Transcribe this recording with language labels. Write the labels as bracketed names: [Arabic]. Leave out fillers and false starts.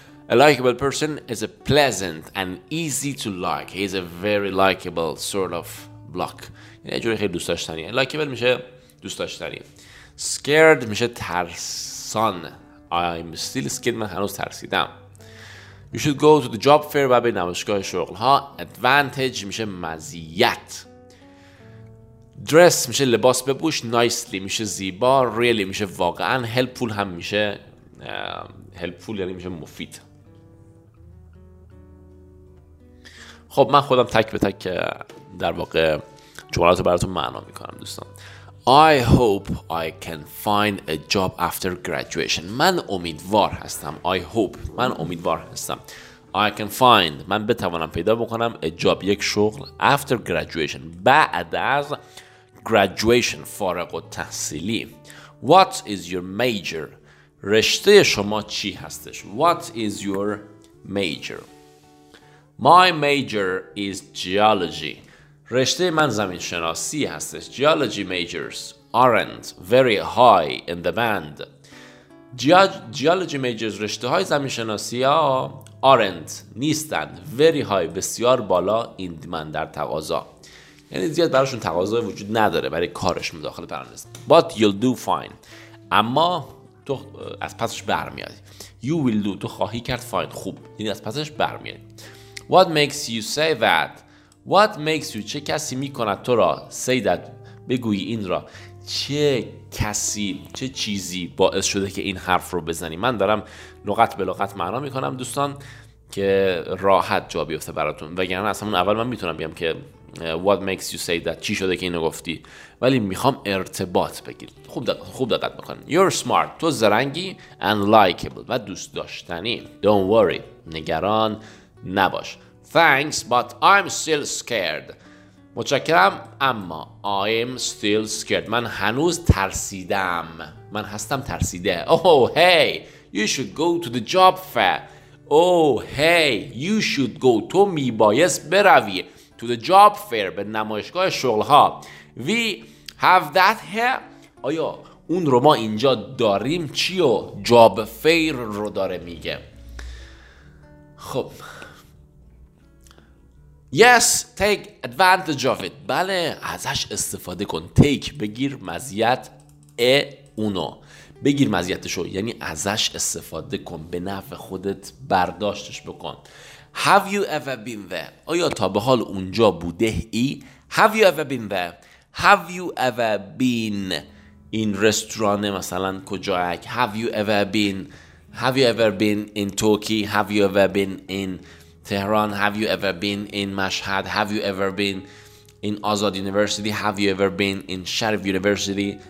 [English] A likable person is a pleasant and easy to like. He is a very likable sort of block. [Persian] یعنی جوری خیلی دوست داشتنی. Likeable میشه دوست داشتنی. Scared میشه ترسان. [English] I'm still scared، [Persian] من هنوز ترسیدم. [English] You should go to the job fair، [Persian] باید به نمایشگاه شغل ها. Advantage میشه مزیت. Dress میشه لباس بپوش. Nicely میشه زیبا. Really میشه واقعا. Helpful هم میشه helpful یعنی میشه مفید. خب من خودم تک به تک در واقع جملات رو براتون معنا میکنم دوستان. [English] I hope I can find a job after graduation. [Persian] من امیدوار هستم. [English] I hope، [Persian] من امیدوار هستم. [English] I can find، [Persian] من بتوانم پیدا بکنم. [English] A job، [Persian] یک شغل. [English] After graduation، [Persian] بعد از graduation، فارغ التحصیلی. [English] What is your major؟ [Persian] رشته شما چی هستش؟ [English] What is your major؟ My major is geology. [Persian] رشته من زمین شناسی هستش. [English] Geology majors aren't very high in demand. Geology majors، [Persian] رشته های زمین شناسی ها aren't، نیستن. [English] Very high، [Persian] بسیار بالا، [English] in demand، [Persian] در تقاضا. یعنی زیاد براشون تقاضا وجود نداره برای کارش مداخله پرانست. [English] But you'll do fine. [Persian] اما تو از پسش برمیادی. [English] You will do، [Persian] تو خواهی کرد fine، خوب. یعنی از پسش برمیادی. [English] What makes you say that? What makes you، [Persian] چه کسی میکند تو را، [English] say that، [Persian] بگویی این را. چه کسی، چه چیزی باعث شده که این حرف رو بزنی؟ من دارم لغت به لغت معنا میکنم دوستان که راحت جا بیفته براتون، وگرنه اصلا اول من میتونم بیام که [English] what makes you say that [Persian] چی شده که اینو گفتی ولی میخوام ارتباط بگیری خوب دقت بکن [English] you're smart [Persian] تو زرنگی [English] and likable [Persian] و دوست داشتنی [English] don't worry [Persian] نگران نباش [English] thanks but I'm still scared [Persian] متشکرم اما [English] I'm still scared [Persian] من هنوز ترسیدم من هستم ترسیده [English] oh hey you should go to the job fair oh hey you should go [Persian] تو میبایست بروی [English] to the job fair [Persian] به نمایشگاه شغلها [English] we have that here [Persian] آیا اون رو ما اینجا داریم چیو [English] job fair [Persian] رو داره میگه خب [English] Yes, take advantage of it. [Persian] بله، ازش استفاده کن. Take بگیر مزیت اونو. بگیر مزیتشو. یعنی ازش استفاده کن. به نفع خودت برداشتش بکن. [English] Have you ever been there? [Persian] آیا تا به حال اونجا بوده ای؟ [English] Have you ever been there? Have you ever been in restaurant [Persian] مثلا کجا اک؟ [English] Have you ever been? Have you ever been in Turkey? Have you ever been in Tehran, have you ever been in Mashhad? Have you ever been in Azad University? Have you ever been in Sharif University?